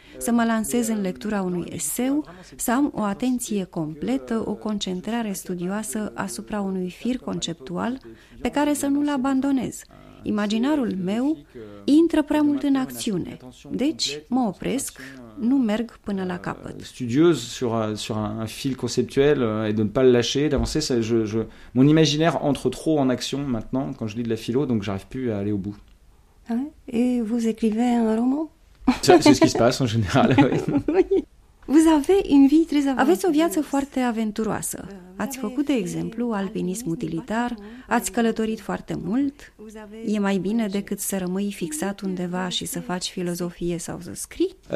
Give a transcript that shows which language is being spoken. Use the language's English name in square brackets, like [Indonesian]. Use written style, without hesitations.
[Romanian] Să mă lansez în lectura unui eseu, să am o atenție completă, o concentrare studioasă asupra unui fir conceptual pe care să nu-l abandonez. Imaginarul meu intră prea mult în acțiune, deci mă opresc, nu merg până la capăt. [French] Studieuse sur un fil conceptuel et de ne pas le lâcher, d'avancer, mon imaginaire entre trop en action maintenant quand je lis de la philo, donc j'arrive plus à aller au bout. Et vous écrivez un roman? C'est ce qui se passe en général. Oui. Vous avez une vie très aventureuse. [Romanian] Aveți o viață foarte aventuroasă. Ați făcut, de exemplu, alpinism utilitar, ați călătorit foarte mult. E mai bine decât să rămâi fixat undeva și să faci filozofie sau să scrii?